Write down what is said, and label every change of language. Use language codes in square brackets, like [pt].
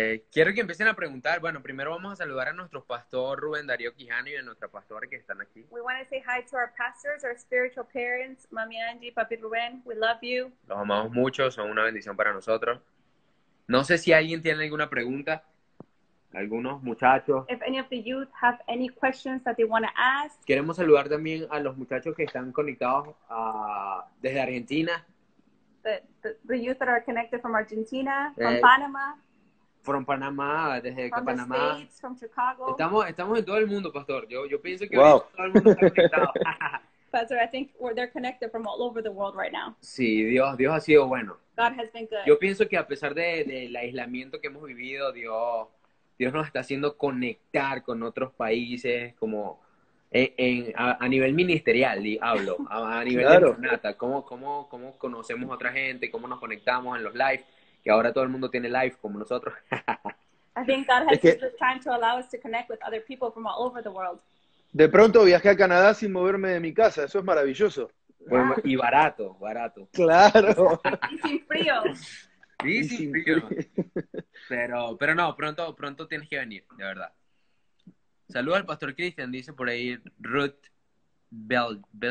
[es] Quiero que empiecen a preguntar. Bueno, primero vamos a saludar a nuestro pastor Rubén Darío Quijano y a nuestra pastora que están aquí. [en] We want to say hi to our pastors, our spiritual parents, Mami Angie, Papi Rubén. We love you. [es] Los amamos mucho, son una bendición para nosotros. No sé si alguien tiene alguna pregunta. Algunos muchachos. [en] If any of the youth have any questions that they want to ask. [es] Queremos saludar también a los muchachos que están conectados desde Argentina. [en] The youth that are connected from Argentina, from Panama. From Panamá, [es] desde [en] from Panamá. The States, from Chicago. [es] Estamos en todo el mundo, pastor. Yo pienso que todo el mundo está conectado. [en] Pastor, I think they're connected from all over the world right now. [es] Sí, Dios ha sido bueno. [en] God has been good. [es] Yo pienso que a pesar del aislamiento que hemos vivido, Dios nos está haciendo conectar con otros países, como a nivel ministerial, hablo, a nivel claro. de nata, cómo conocemos a otra gente, cómo nos conectamos en los live, que ahora todo el mundo tiene live como nosotros. [en] I think God has used this time to allow us to connect with other people from all over the world. [es] De pronto viajé a Canadá sin moverme de mi casa, eso es maravilloso. Bueno, y barato. Claro. Y sin frío. Sí, sí, pero no, pronto tienes que venir, de verdad. Saluda al pastor Cristian, dice por ahí Ruth Bell.